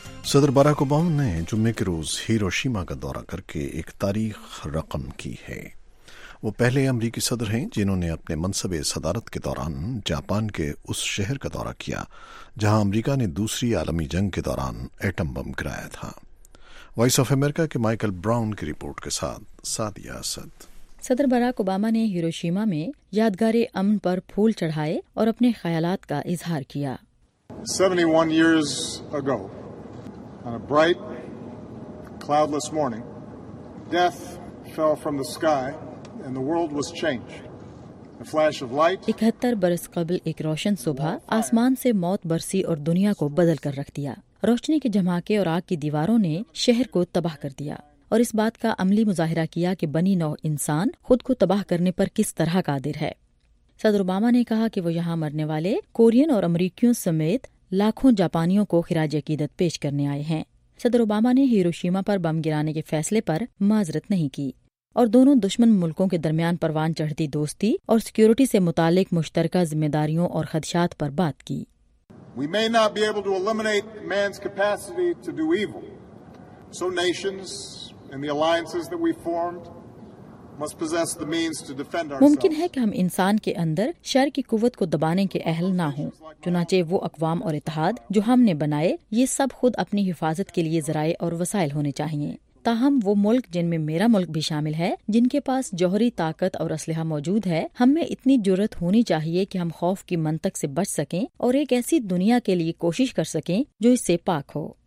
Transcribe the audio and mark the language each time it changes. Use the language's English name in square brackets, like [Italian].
[Urdu] صدر Barack Obama نے جمعے کے روز ہیروشیما کا دورہ کر کے ایک تاریخ رقم کی ہے۔ وہ پہلے امریکی صدر ہیں جنہوں نے اپنے منصب صدارت کے دوران جاپان کے اس شہر کا دورہ کیا جہاں امریکہ نے دوسری عالمی جنگ کے دوران ایٹم بم گرایا تھا۔ وائس آف امریکہ کے مائیکل براؤن کی رپورٹ کے ساتھ سعدیہ اسد۔ صدر باراک اوباما نے ہیروشیما میں یادگار امن پر پھول چڑھائے اور اپنے خیالات کا اظہار کیا۔ [English] 71 years ago, on a bright, cloudless morning, death fell from the sky and the world was changed. A flash of light. [Urdu] 71 برس قبل ایک روشن صبح آسمان سے موت برسی اور دنیا کو بدل کر رکھ دیا۔ روشنی کے جھماکے اور آگ کی دیواروں نے شہر کو تباہ کر دیا اور اس بات کا عملی مظاہرہ کیا کہ بنی نوع انسان خود کو تباہ کرنے پر کس طرح قادر ہے۔ صدر اوباما نے کہا کہ وہ یہاں مرنے والے کورین اور امریکیوں سمیت لاکھوں جاپانیوں کو خراج عقیدت پیش کرنے آئے ہیں۔ صدر اوباما نے ہیروشیما پر بم گرانے کے فیصلے پر معذرت نہیں کی اور دونوں دشمن ملکوں کے درمیان پروان چڑھتی دوستی اور سیکیورٹی سے متعلق مشترکہ ذمہ داریوں اور خدشات پر بات کی۔ [English] We may not be able to eliminate man's capacity to do evil. So nations and the alliances that we formed must possess the means to defend ourselves. [Urdu] ممکن ہے کہ ہم انسان کے اندر شر کی قوت کو دبانے کے اہل نہ ہوں، چنانچہ وہ اقوام اور اتحاد جو ہم نے بنائے یہ سب خود اپنی حفاظت کے لیے ذرائع اور وسائل ہونے چاہیے۔ تاہم وہ ملک جن میں میرا ملک بھی شامل ہے، جن کے پاس جوہری طاقت اور اسلحہ موجود ہے، ہم میں اتنی جرات ہونی چاہیے کہ ہم خوف کی منطق سے بچ سکیں اور ایک ایسی دنیا کے لیے کوشش کر سکیں جو اس سے پاک ہو۔